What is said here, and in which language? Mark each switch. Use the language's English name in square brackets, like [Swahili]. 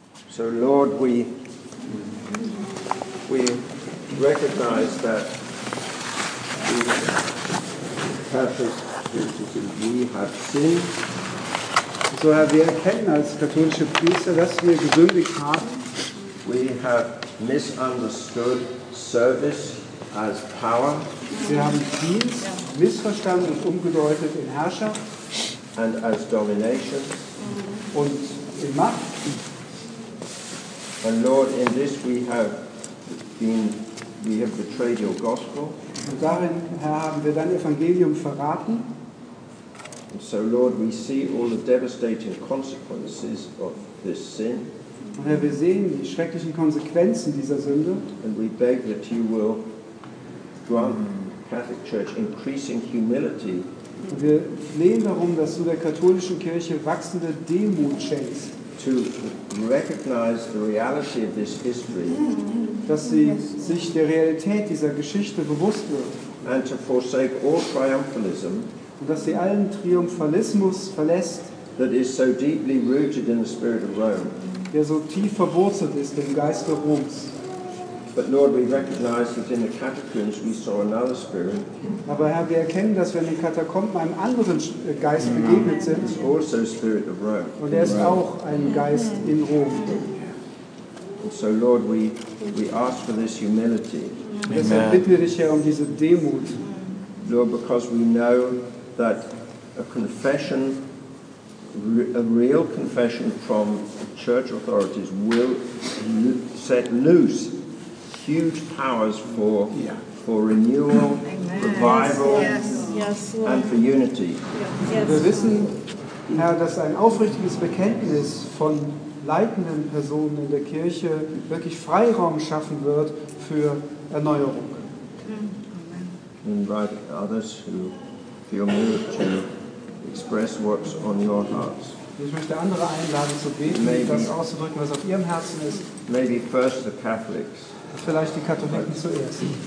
[English] So Lord, we recognize that we have this duty, we have sin. [German] So Herr, wir erkennen als katholische Priester, dass wir gesündigt haben. [English] We have misunderstood service as power. [German] Wir haben Dienst missverstanden und umgedeutet in Herrschaft. [English] And as domination. [German] Und in Macht. [English] And Lord, in this we have betrayed your gospel. [German] Und darin, Herr, haben wir dein Evangelium verraten. [English] And so Lord, we see all the devastating consequences of this sin. [German] Und Herr, wir sehen die schrecklichen Konsequenzen dieser Sünde. [English] And we beg that you will grant the Catholic Church increasing humility. [German] Und wir flehen darum, dass du der katholischen Kirche wachsende Demut schenkst. [English] To recognize the reality of this history, [German] dass sie sich der Realität dieser Geschichte bewusst wird, [English] and to forsake all triumphalism, [German] und dass sie allen Triumphalismus verlässt, [English] that is so deeply rooted in the spirit of Rome, [German] der so tief verwurzelt ist im Geiste Roms. [English] But Lord, we recognize that in the catacombs we saw another spirit. [German] Aber Herr, wir erkennen, dass wir in den Katakomben einem anderen Geist begegnet sind. [English] It's also spirit of Rome. [German] Und er ist auch ein Geist in Rom. [English] And so Lord, we ask for this humility. [German] Deshalb bitten wir dich, Herr, um diese Demut. [English] Lord, because we know that a confession, a real confession from the church authorities will set loose huge powers for renewal, revival, and for unity. [German] Wir wissen, Herr, dass ein aufrichtiges Bekenntnis von leitenden Personen in der Kirche wirklich Freiraum schaffen wird für Erneuerung. [English] Invite others who feel moved to express what's on your hearts. [German] Ich möchte andere einladen zu beten, das auszudrücken, was auf ihrem Herzen ist. [English] Maybe first the Catholics. [German] Vielleicht die Katholiken zuerst.